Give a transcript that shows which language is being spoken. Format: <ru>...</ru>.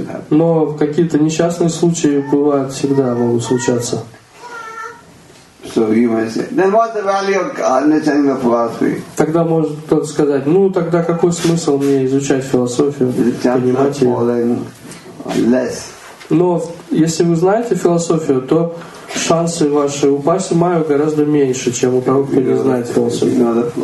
<ru>Но какие-то несчастные случаи бывают всегда, могут случаться.</ru> <en>So you might say, then what's the value of understanding the philosophy?</en> <ru>Тогда может кто-то сказать, ну тогда какой смысл мне изучать философию, понимать ее?</ru> <en>Less.</en> <ru>Но если вы знаете философию, то шансы ваши упасть в майю гораздо меньше, чем у того, кто не знает философию.</ru>